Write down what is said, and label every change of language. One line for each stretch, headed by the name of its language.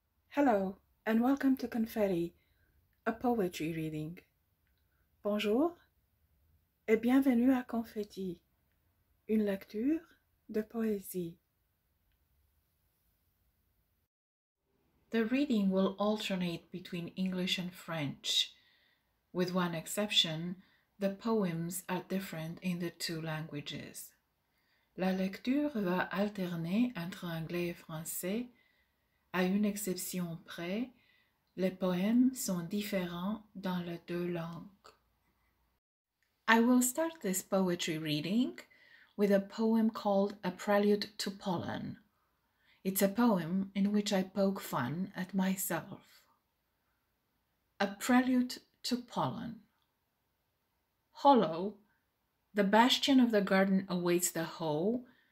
English: Hello and welcome to Confetti, a poetry reading.
French: Bonjour et bienvenue à Confetti, une lecture de poésie.
English: The reading will alternate between English and French. With one exception, the poems are different in the two languages.
French: La lecture va alterner entre anglais et français. À une exception près, les poèmes sont différents dans les deux langues.
English: I will start this poetry reading with a poem called A Prelude to Pollen. It's a poem in which I poke fun at myself. A Prelude to Pollen. Hollow, the bastion of the garden awaits the hoe.